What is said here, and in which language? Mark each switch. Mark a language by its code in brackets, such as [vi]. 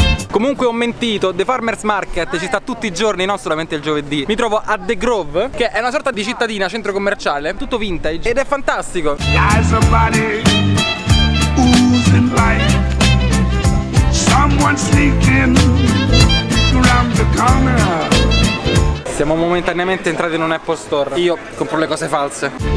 [it] Comunque ho mentito, The Farmer's Market ci sta tutti i giorni, non solamente il giovedì. Mi trovo a The Grove, che è una sorta di cittadina, centro commerciale, tutto vintage, ed è fantastico. [en] Someone sneaking around the corner. [it] Siamo momentaneamente entrati in un Apple Store. Io compro le cose false.